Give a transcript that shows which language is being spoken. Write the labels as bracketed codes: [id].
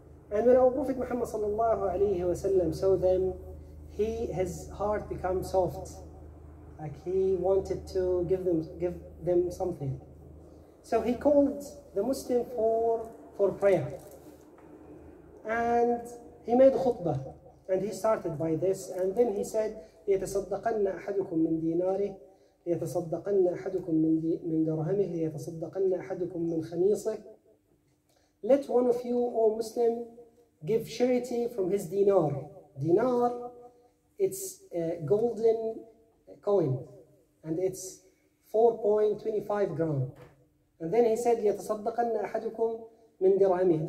[en] And when our Prophet Muhammad sallallahu alayhi wa sallam saw them, his heart became soft. Like he wanted to give them something. So he called the Muslim for prayer. And he made khutbah. And he started by this. And then he said, [ar] لِيَتَصَدَّقَنَّ أَحَدُكُمْ مِنْ دِينَارِهِ لِيَتَصَدَّقَنَّ أَحَدُكُمْ مِنْ دَرْهَمِهِ لِيَتَصَدَّقَنَّ أَحَدُكُمْ مِنْ خَمِيصِهِ. [en] Let one of you, O Muslim, give charity from his dinar. Dinar, it's a golden coin, and it's 4.25 gram. And then he said, [ar] لِيَتَصَدَّقَنَّ أَحَدُكُمْ مِنْ دِرْهَمِهِ.